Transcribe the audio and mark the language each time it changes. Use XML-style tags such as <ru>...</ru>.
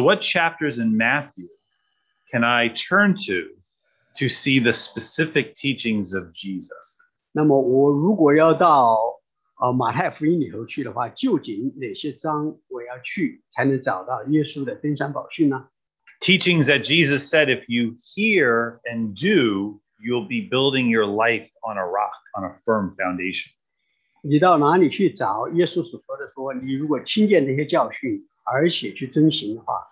<en>what chapters in Matthew can I turn to see the specific teachings of Jesus?</en> <zh>那么我如果要到 马太福音里头去的话，究竟哪些章我要去才能找到耶稣的登山宝训呢？</zh> <en>teachings that Jesus said, if you hear and do, you'll be building your life on a rock, on a firm foundation.</en> <zh>你到哪里去找耶稣所说的说，你如果听见这些教训，而且去遵行的话。</zh>